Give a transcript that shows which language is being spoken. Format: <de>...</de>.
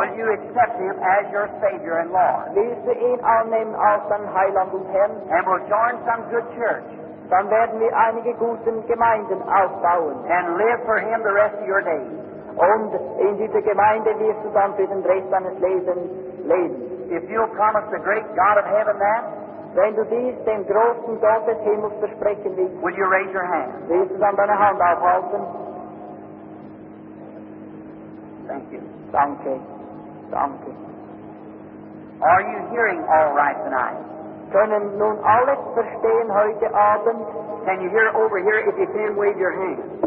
<en>Will you accept him as your Savior and Lord?</en> <de>Willst du ihn annehmen als dein Heiland und Herrn?</de> <en>And we'll join some good church.</en> <de>Dann werden wir einige gute Gemeinden aufbauen.</de> <en>And live for him the rest of your days.</en> <de>Und in dieser Gemeinde wirst du dann für den Rest deines Lebens leben.</de> <en>If you'll promise the great God of heaven that,</en> <de>wenn du dies dem großen Gott des Himmels versprechen willst,</de> <en>will you raise your hand?</en> <de>Willst du dann deine Hand aufhalten?</de> <en>Thank you.</en> <de>Danke. Danke.</de> <en>Are you hearing all right tonight?</en> <de>Können nun alle verstehen heute Abend?</de> <en>Can you hear over here if you can wave your hand?</en>